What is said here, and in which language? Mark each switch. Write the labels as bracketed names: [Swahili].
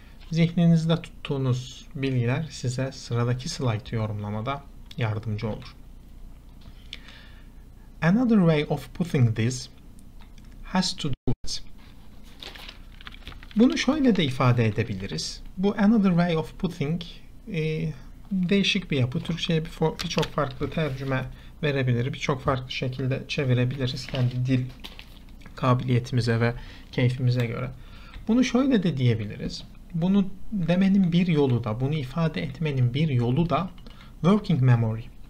[Turkish] Zihninizde tuttuğunuz bilgiler size sıradaki slide'ı yorumlamada yardımcı olur. [English] Another way of putting this has to do. [Turkish] Bunu şöyle de ifade edebiliriz. Bu [English] another way of putting [Turkish] değişik bir yapı. Türkçe'ye birçok farklı tercüme verebilir. Birçok farklı şekilde çevirebiliriz kendi dil kabiliyetimize ve keyfimize göre. Bunu şöyle de diyebiliriz. Bunu demenin bir yolu da, bunu ifade etmenin bir yolu da working memory.